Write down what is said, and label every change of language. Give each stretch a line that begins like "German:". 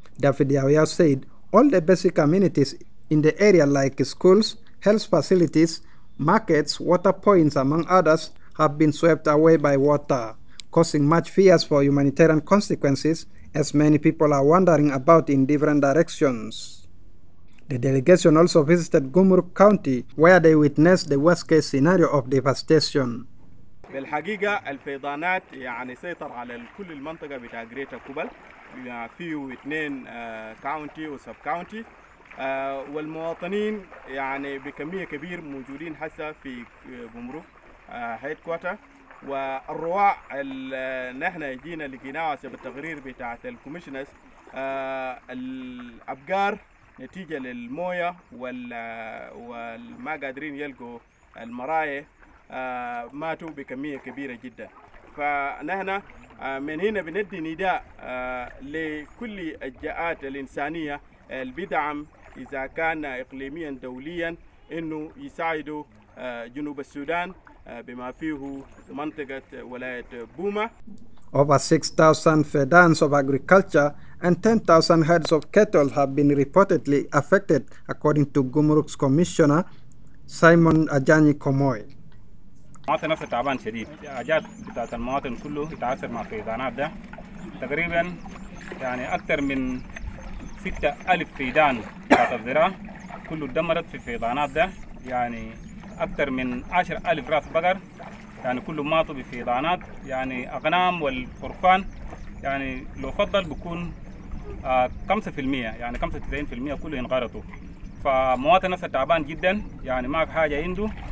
English: David Yau Yau said all the basic amenities in the area like schools, health facilities, markets, water points, among others, have been swept away by water, causing much fears for humanitarian consequences as many people are wandering about in different directions. The delegation also visited Gumruk County, where they witnessed the worst-case scenario of devastation.
Arabic: بالحقيقة الفيضانات يعني سيطر على كل المنطقة بتاع جريتا كوبل فيه اثنين كاونتي وسب كاونتي والمواطنين يعني بكمية كبير موجودين حسا في جمرك هيد كوارتر والرواع اللي نحن جينا لقيناها سب التقرير بتاعت الكوميشنرز الأبقار نتيجة للموية والما قادرين يلقوا المرايا ماتوا بكمية كبيرة جدا فنحن من هنا بندي نداء لكل الجهات الإنسانية البدعم إذا كان إقليميا دوليا إنه يساعدوا جنوب السودان بما فيه منطقة ولاية بوما.
English: Over 6,000 fedans of agriculture and 10,000 heads of cattle have been reportedly affected according to Gumruk's commissioner Simon Ajani Komoy.
Arabic: المواطن نفسه تعبان شديد، الحاجات بتاعت المواطن كله يتعاثر مع الفيضانات ده تقريبا يعني أكثر من 6,000 فيدان بتاعت الزراعة كله اتدمرت في الفيضانات ده يعني أكثر من 10,000 راس بقر يعني كله ماتوا بفيضانات يعني أغنام والقرفان يعني لو فضل بكون 5% يعني 95% كله انغرطوا فمواطن نفسه تعبان جدا يعني ما في حاجة عنده